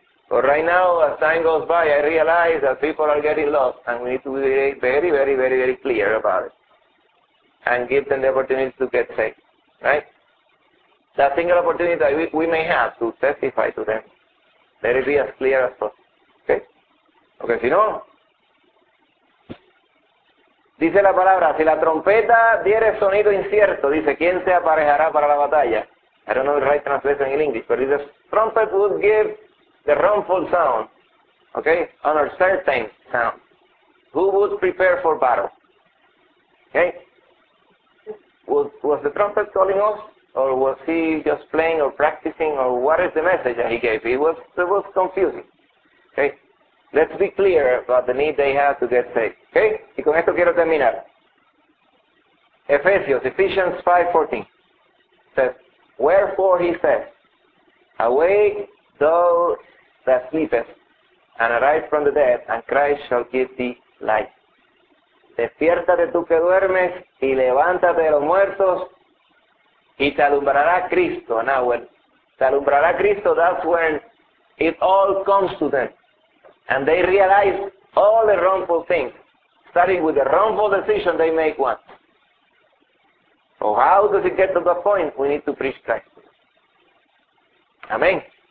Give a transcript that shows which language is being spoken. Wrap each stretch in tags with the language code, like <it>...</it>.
<en>But right now, as time goes by, I realize that people are getting lost. And we need to be very, very, very, very clear about it. And give them the opportunity to get saved. Right? That single opportunity that we may have to testify to them, let it be as clear as possible. Okay?</en> <es>Porque si no, dice la palabra, si la trompeta diere sonido incierto, dice, ¿quién se aparejará para la batalla?</es> <en>I don't know the right translation in English, but if the trumpet would give the wrongful sound, okay, an uncertain sound, who would prepare for battle? Okay? Was the trumpet calling us? Or was he just playing or practicing? Or what is the message that he gave? It was confusing. Okay? Let's be clear about the need they have to get saved. Okay?</en> <es>Y con esto quiero terminar.</es> <en>Ephesians 5:14 says, wherefore he says, awake thou that sleepest, and arise from the dead, and Christ shall give thee light.</en> <es>Despiértate tú que duermes, y levántate de los muertos, y te alumbrará Cristo.</es> <en>Now, when te alumbrará Cristo, that's when it all comes to them. And they realize all the wrongful things, starting with the wrongful decision they make once. So how does it get to the point? We need to preach Christ. Amen.</en>